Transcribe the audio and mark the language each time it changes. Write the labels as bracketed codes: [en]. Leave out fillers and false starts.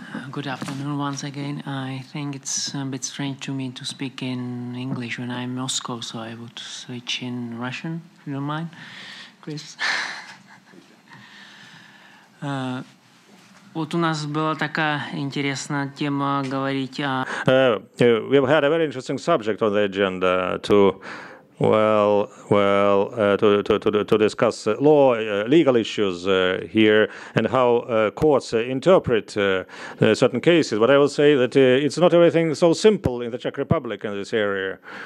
[en] Good afternoon once again. I think it's a bit strange to me to speak in English when I'm in Moscow, so I would switch in Russian, if you don't mind, Chris. [ru] Вот у нас была такая интересная тема говорить о... [en] We've had a very interesting subject on the agenda to... to discuss law, legal issues here, and how courts interpret certain cases. But I will say that it's not everything so simple in the Czech Republic in this area.